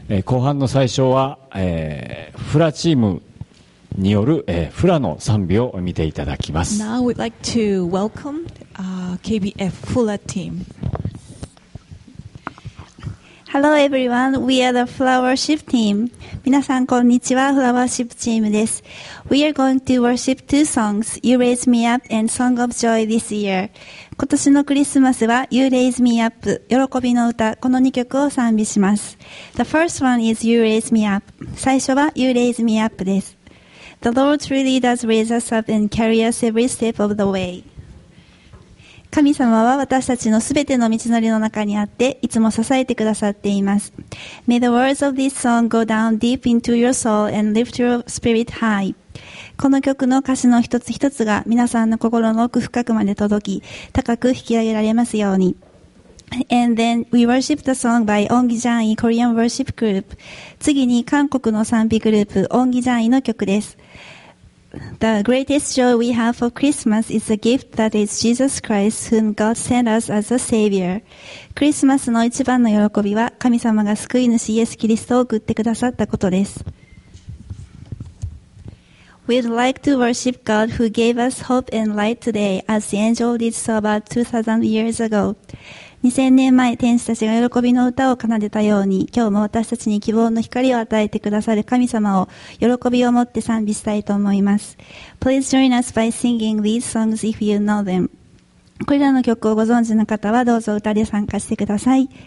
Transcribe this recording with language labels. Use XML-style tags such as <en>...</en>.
<ja>後半の最初は、フラチームによる、フラの賛美を見ていただきます。</ja> <en>Now we'd like to welcome KBF Fula team. Hello everyone, we are the Flowership team.</en> <ja>皆さんこんにちは、フラワーシップチームです。</ja> <en>We are going to worship two songs, You Raise Me Up and Song of Joy this year.</en> <ja>今年のクリスマスは You Raise Me Up, 喜びの歌、この2曲を賛美します。</ja> <en>The first one is You Raise Me Up.</en> <ja>最初は You Raise Me Up です。</ja> <en>The Lord really does raise us up and carry us every step of the way.</en> <ja>神様は私たちのすべての道のりの中にあって、いつも支えてくださっています。</ja> <en>May the words of this song go down deep into your soul and lift your spirit high.</en> <ja>この曲の歌詞の一つ一つが皆さんの心の奥深くまで届き、高く引き上げられますように。</ja> <en>And then we worship the song by Ongi Jangi Korean Worship Group.</en> <ja>次に韓国の賛美グループ、Ongi Jangi の曲です。</ja> <en>The greatest joy we have for Christmas is the gift that is Jesus Christ whom God sent us as a Savior.</en> <ja>クリスマスの一番の喜びは神様が救い主イエス・キリストを送ってくださったことです。</ja> <en>We'd like to worship God who gave us hope and light today as the angel did so about 2,000 years ago.</en> <ja>2000年前、天使たちが喜びの歌を奏でたように、今日も私たちに希望の光を与えてくださる神様を喜びを持って賛美したいと思います。</ja> <en>Please join us by singing these songs if you know them.</en> <ja>これらの曲をご存知の方はどうぞ歌で参加してください。</ja>